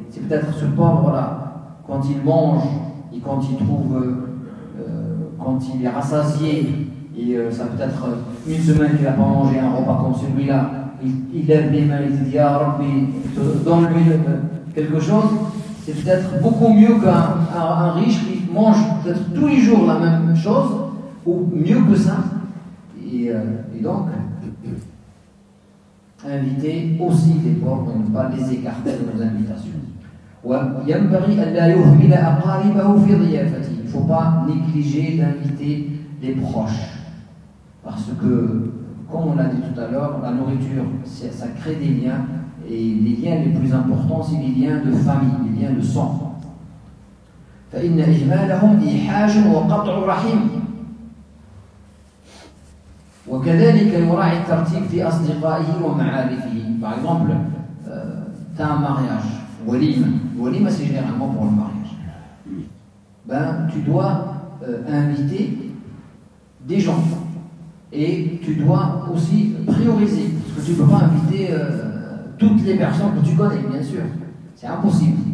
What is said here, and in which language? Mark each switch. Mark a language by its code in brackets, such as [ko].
[fr] C'est peut-être ce pauvre-là, quand il mange et quand il trouve, quand il est rassasié, et ça peut être une semaine qu'il n'a pas mangé un repas comme celui-là, il lève les mains, il dit « Ah, Rabbi, donne-lui quelque chose », c'est peut-être beaucoup mieux qu'un riche qui mange peut-être tous les jours la même chose, ou mieux que ça. Et donc, inviter aussi les pauvres, ne pas les écarter de nos invitations. [ar] وينبغي ألا يهمل أقاربه في ضيافته. [fr] Il ne faut pas négliger d'inviter les proches. Parce que, comme on l'a dit tout à l'heure, la nourriture, ça crée des liens. Et les liens les plus importants, c'est les liens de famille, les liens de sang. [ar] فإن إهمالهم إيحاج وقطع رحم. وكذلك يراعي الترتيب في أصدقائه ومعارفه. [fr] Par exemple, t'as un mariage, walima. Walima, c'est généralement pour le mariage. Ben, tu dois inviter des gens. Et tu dois aussi prioriser. Parce que tu ne peux pas inviter toutes les personnes que tu connais, bien sûr. C'est impossible.